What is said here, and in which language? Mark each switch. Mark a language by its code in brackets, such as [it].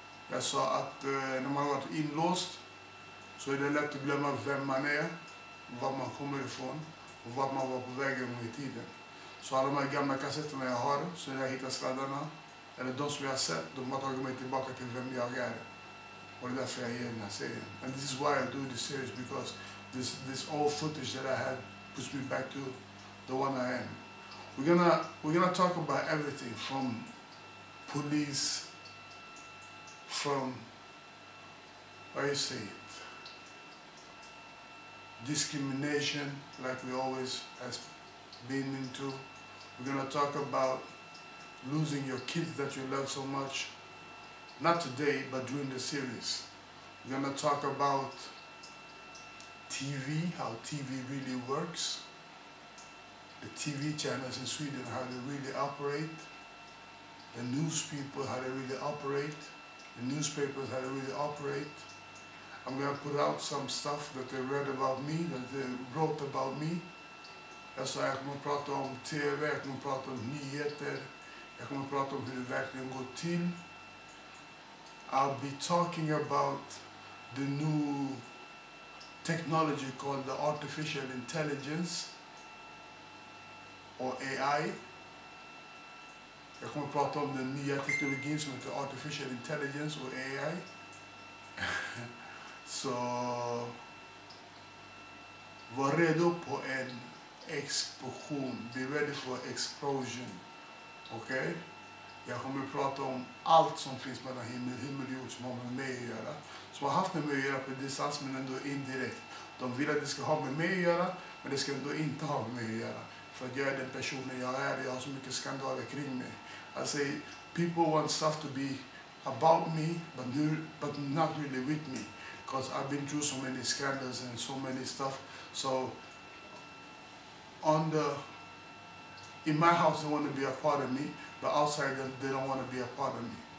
[sv] Jag sa att när man har varit inlåst så är det lätt att glömma vem man är, var man kommer ifrån och vart man var på vägen i tiden. Så alla de här gamla kassetterna jag har, så jag hittar sladdarna, eller de som jag har sett, de har tagit mig tillbaka till vem jag är. Och det är därför jag ger den här serien. [en] And this is why I do this series, because this old footage that I had puts me back to the one I am. We're gonna talk about everything from police, from, how you say it, discrimination, like we always has been into. We're gonna talk about losing your kids that you love so much. Not today, but during the series. We're gonna talk about TV, how TV really works. The TV channels in Sweden, how they really operate. The news people, how they really operate. The newspapers, how they really operate. I'm gonna put out some stuff that they read about me, that they wrote about me. [sv] Alltså jag kommer att prata om TV, jag kommer att prata om nyheter. Jag kommer att prata om hur det verkligen går till. [en] I'll be talking about the new technology called the artificial intelligence. Or AI. [sv] Jag kommer att prata om den nya teknologin som heter [en] artificial intelligence or AI. [sv] Så var redo på en explosion. [en] Be ready for explosion. Okej? Okay? [sv] Jag kommer prata om allt som finns mellan himmel och jord som har med mig att göra. Som har haft med mig att göra på distans men ändå indirekt. De vill att det ska ha med mig att göra men det ska ändå inte ha med mig att göra. För att jag är den personen jag är. Jag har så mycket skandaler kring mig. [en] I say people want stuff to be about me but not really with me. Because I've been through so many scandals and so many stuff. So, in my house they want to be a part of me, but outside they don't want to be a part of me.